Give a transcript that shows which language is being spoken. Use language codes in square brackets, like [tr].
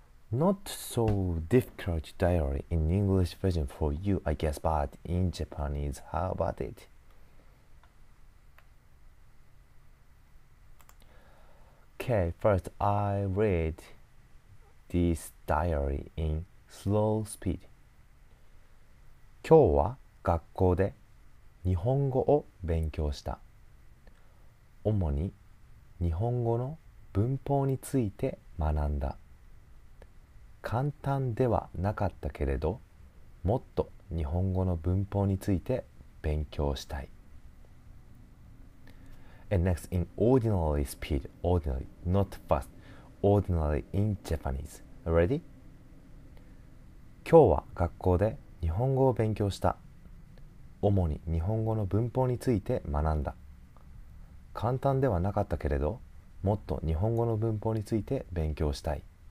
[en] Not so difficult diary in English version for you, I guess, but in Japanese, how about it? Okay, first I read this diary in slow speed. [ja] 今日は学校で日本語を勉強した。主に日本語の文法について学んだ。簡単ではなかったけれど、もっと日本語の文法について勉強したい。 [en] And next, in ordinary speed, ordinary, not fast, ordinary in Japanese. Ready? [ja] 今日は学校で日本語を勉強した。主に日本語の文法について学んだ。簡単ではなかったけれど、もっと日本語の文法について勉強したい。